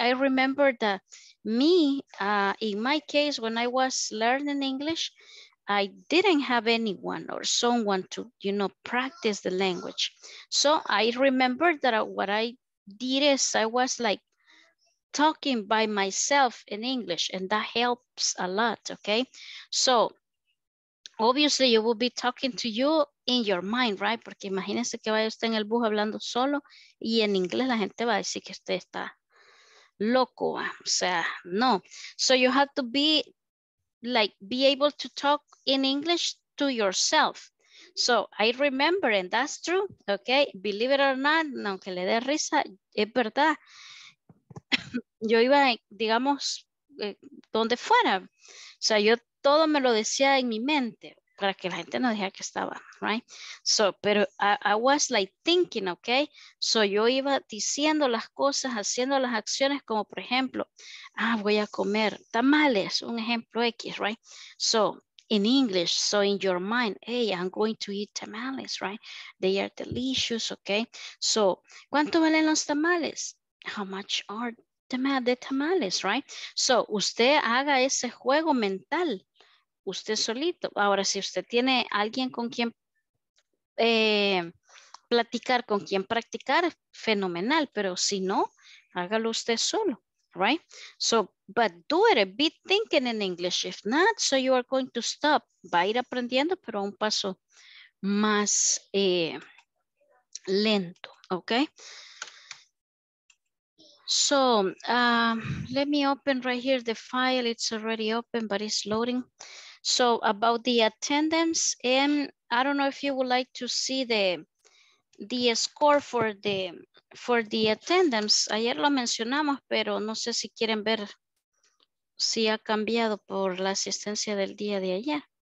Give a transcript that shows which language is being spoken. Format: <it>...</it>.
<en>I remember that me, in my case, when I was learning English, I didn't have anyone or someone to, you know, practice the language. So I remember that what I did is I was like talking by myself in English, and that helps a lot, okay? So obviously you will be talking to you in your mind, right?</en> <es>Porque imagínense que vaya usted en el bus hablando solo y en inglés la gente va a decir que usted está loco, ¿va? O sea, no.</es> <en>So you have to be like, be able to talk in English to yourself. So I remember, and that's true, okay? Believe it or not,</en> <es>aunque le dé risa, es verdad. Yo iba, digamos, donde fuera. O sea, yo todo me lo decía en mi mente para que la gente no dijera que estaba, right? So, pero</es> <en>I was like thinking, okay?</en> <es>So yo iba diciendo las cosas, haciendo las acciones, como por ejemplo, ah, voy a comer tamales, un ejemplo X, right?</es> <en>So, in English, so in your mind, hey, I'm going to eat tamales, right? They are delicious, okay? So,</en> <es>¿cuánto valen los tamales?</es> <en>How much are de tamales, right?</en> <es>So, usted haga ese juego mental, usted solito. Ahora, si usted tiene alguien con quien platicar, con quien practicar, fenomenal, pero si no, hágalo usted solo, right?</es> <en>So, but do it, be thinking in English. If not, so you are going to stop.</en> <es>Va a ir aprendiendo, pero a un paso más lento, okay?</es> <en>So let me open right here the file. It's already open, but it's loading. So about the attendance, and I don't know if you would like to see the score for the attendance.</en> <es>Ayer lo mencionamos, pero no sé si quieren ver si ha cambiado por la asistencia del día de ayer.</es>